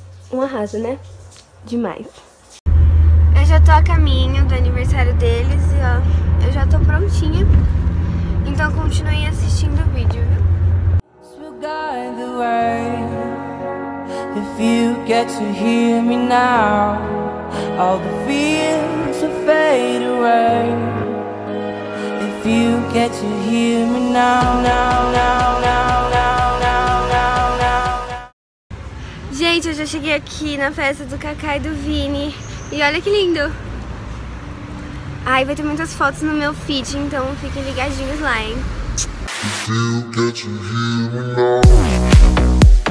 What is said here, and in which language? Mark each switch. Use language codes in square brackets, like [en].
[pt] Um arraso, né? Demais. Eu já tô a caminho do aniversário deles e, ó, eu já tô prontinha. Então continue assistindo o vídeo, viu? [en] Guide the way. If you get to hear me now, all the fears will fade away. If you get to hear me now, now, now, now, now, now, now, now. [pt] Gente, eu já cheguei aqui na festa do Cacá e do Vini. E olha que lindo! Ai, vai ter muitas fotos no meu feed, então fiquem ligadinhos lá, hein? [en] If you get to hear me now.